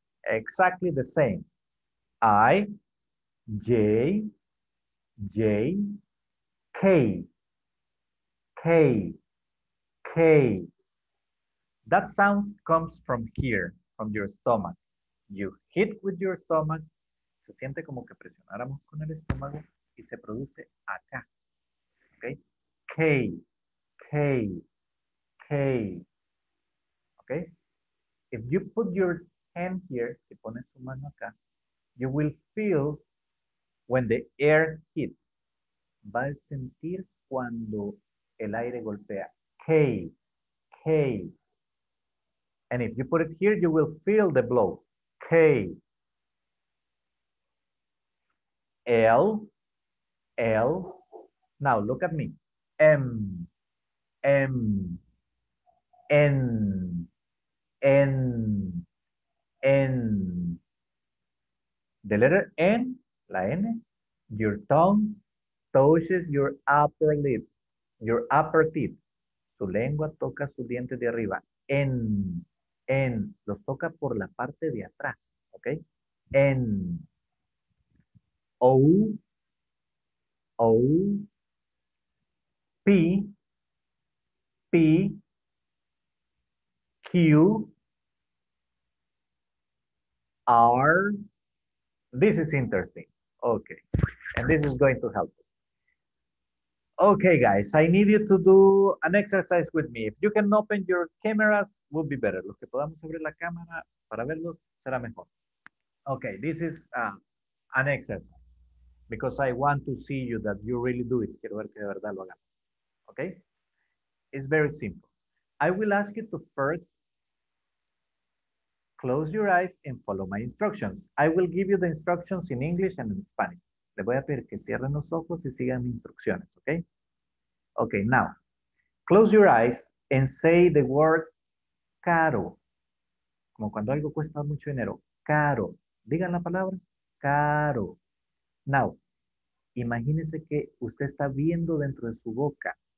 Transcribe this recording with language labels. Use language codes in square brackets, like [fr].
[en] Exactly the same. I, J, J, K, K, K. That sound comes from here, from your stomach. You hit with your stomach. [es] Se siente como que presionáramos con el estómago y se produce acá. [en] Okay? K, K, K. Okay? If you put your hand here, [es] si pones su mano acá, [en] you will feel when the air hits. [es] Va a sentir cuando el aire golpea. [en] K, K. And if you put it here, you will feel the blow. K. L, L. Now look at me. M, M, N, N. N, the letter N, la N, your tongue touches your upper lips, your upper teeth. [es] Su lengua toca su diente de arriba. N, N, los toca por la parte de atrás, ¿ok? [en] N, O, O, P, P, Q, R, this is interesting. Okay, and this is going to help. Okay, guys, I need you to do an exercise with me. If you can open your cameras, would be better. [es] Los que podamos abrir la cámara para verlos será mejor. [en] Okay, this is an exercise because I want to see you that you really do it. [es] Quiero ver que de verdad lo hagamos. [en] Okay, it's very simple. I will ask you to first close your eyes and follow my instructions. I will give you the instructions in English and in Spanish. [es] Le voy a pedir que cierren los ojos y sigan mis instrucciones, okay? [en] Okay, now, close your eyes and say the word caro. [es] Como cuando algo cuesta mucho dinero, caro. Digan la palabra, caro. Now, imagínese que usted está viendo dentro de su boca.